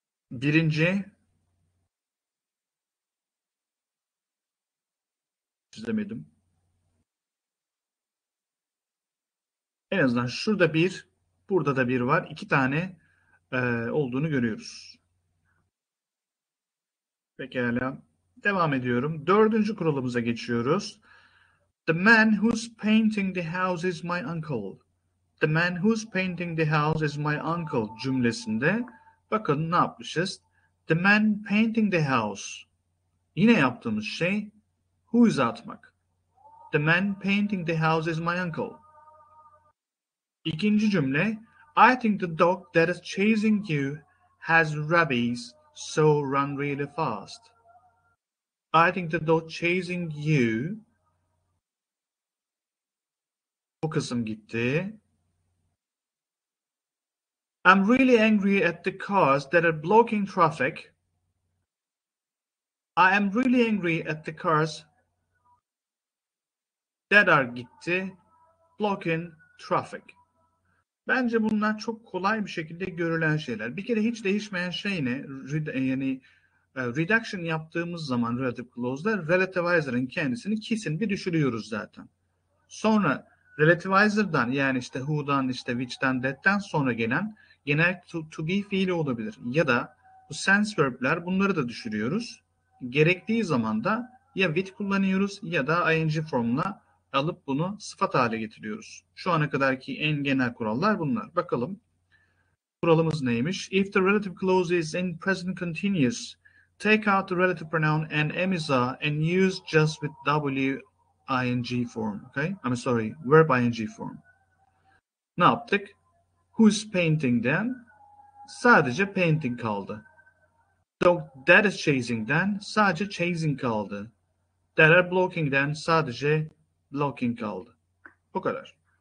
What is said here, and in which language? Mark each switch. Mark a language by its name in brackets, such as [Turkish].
[Turkish] Birinci çizemedim. En azından şurada bir, burada da bir var. İki tane olduğunu görüyoruz. Pekala. Devam ediyorum. Dördüncü kuralımıza geçiyoruz. [English] The man who's painting the house is my uncle. The man who's painting the house is my uncle [Turkish] cümlesinde bakın ne yapmışız? [English] The man painting the house. [Turkish] Yine yaptığımız şey who's atmak. [English] The man painting the house is my uncle. [Turkish] İkinci cümle. [English] I think the dog that is chasing you has rabies, so run really fast. I think the dog chasing you. [Turkish] Bu kısım gitti. [English] I'm really angry at the cars that are blocking traffic. I am really angry at the cars that are gitti. Blocking traffic. [Turkish] Bence bunlar çok kolay bir şekilde görülen şeyler. Bir kere hiç değişmeyen şey ne? Yani reduction yaptığımız zaman relative clause'da relativizer'ın kendisini kesin bir düşürüyoruz zaten. Sonra relativizer'dan yani işte who'dan işte which'ten that'ten sonra gelen genel to be fiili olabilir. Ya da bu sense verb'ler bunları da düşürüyoruz. Gerektiği zaman da ya with kullanıyoruz ya da ing formla alıp bunu sıfat hale getiriyoruz. Şu ana kadarki en genel kurallar bunlar. Bakalım kuralımız neymiş? [English] If the relative clause is in present continuous, take out the relative pronoun and emisa and use just with W-ing form. Okay? I'm sorry, verb-ing form. [Turkish] Ne yaptık? Who's painting'den sadece painting kaldı. Dog that is chasing'den sadece chasing kaldı. That are blocking'den sadece blocking kaldı. O kadar.